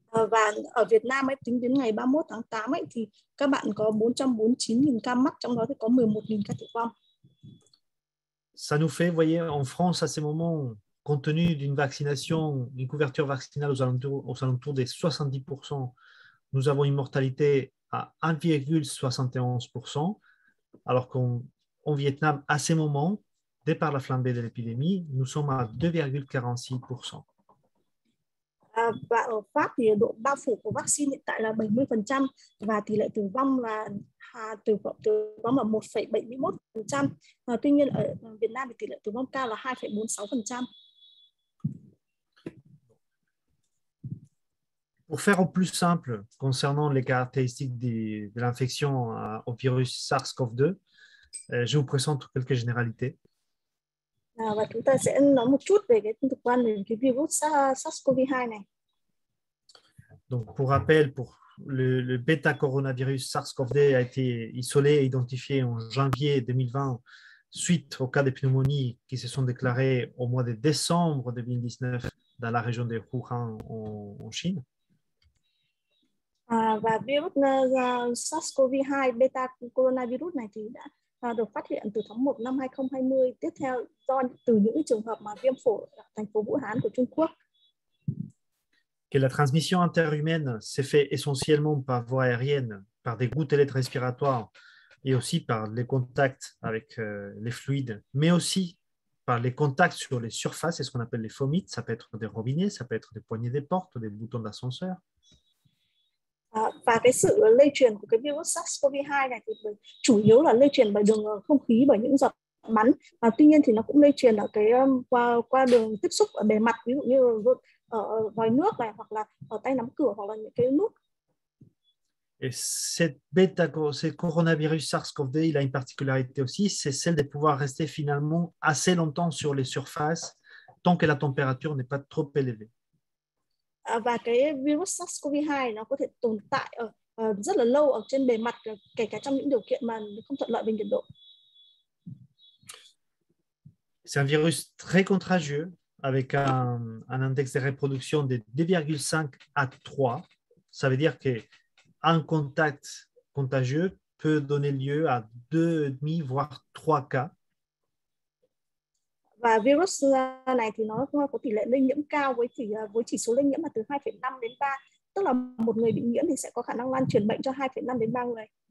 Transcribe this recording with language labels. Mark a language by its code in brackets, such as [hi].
[vi] Và ở Việt Nam ấy, tính đến ngày 31 tháng 8 ấy, thì các bạn có 449.000 ca mắc, trong đó thì có 11.000 ca tử vong. [fr] Ça nous fait, vous voyez, en France, à ces moments, compte tenu d'une vaccination, une couverture vaccinale aux alentours des 70%, nous avons une mortalité à 1,71%, alors qu'en Vietnam, à ces moments, dès par la flambée de l'épidémie, nous sommes à 2,46%. [vi] Và ở Pháp thì độ bao phủ của vaccine hiện tại là 70% và tỷ lệ tử vong là tử vong là 1,71%. Tuy nhiên ở Việt Nam thì tỷ lệ tử vong cao là 2,46%. [fr] Pour faire au plus simple concernant les caractéristiques de l'infection au virus SARS-CoV-2, je vous présente quelques généralités. [vi] Và chúng ta sẽ nói một chút về cái tương quan về cái virus SARS-CoV-2 này. [fr] Donc, pour rappel, pour le bêta-coronavirus SARS-CoV-2 a été isolé et identifié en janvier 2020 suite aux cas de pneumonie qui se sont déclarés au mois de décembre 2019 dans la région de Wuhan, en Chine. [vi] Và virus SARS-CoV-2 beta coronavirus này thì đã được phát hiện từ tháng 1 năm 2020 tiếp theo do từ những trường hợp mà viêm phổi thành phố Vũ Hán của Trung Quốc. [fr] Que la transmission interhumaine s'est faite essentiellement par voie aérienne, par des gouttelettes respiratoires et aussi par les contacts avec les fluides, mais aussi par les contacts sur les surfaces, c'est ce qu'on appelle les fomites, ça peut être des robinets, ça peut être des poignées des portes, des boutons d'ascenseur. [vi] Và cái sự lây truyền của cái virus SARS-CoV-2 này thì chủ yếu là lây truyền bởi đường không khí, bởi những giọt bắn. Và tuy nhiên thì nó cũng lây truyền ở cái qua qua đường tiếp xúc ở bề mặt, ví dụ như ở vòi nước này, hoặc là ở tay nắm cửa, hoặc là những cái nút. [fr] Et ce coronavirus SARS-CoV-2, il a une particularité aussi, c'est celle de pouvoir rester finalement assez longtemps sur les surfaces tant que la température n'est pas trop élevée. [vi] Và cái virus SARS-CoV-2 nó có thể tồn tại ở rất là lâu ở trên bề mặt, kể cả trong những điều kiện mà không thuận lợi về nhiệt độ. [fr] C'est un virus très contagieux, avec un index de reproduction de 2,5 à 3. Ça veut dire que un contact contagieux peut donner lieu à 2,5, voire 3 cas. [vi] Và virus này thì nó có tỷ lệ lây nhiễm cao, với chỉ số lây nhiễm là từ 2,5 đến 3, tức là một người bị nhiễm thì sẽ có khả năng lan truyền bệnh cho 2,5 đến 3 người.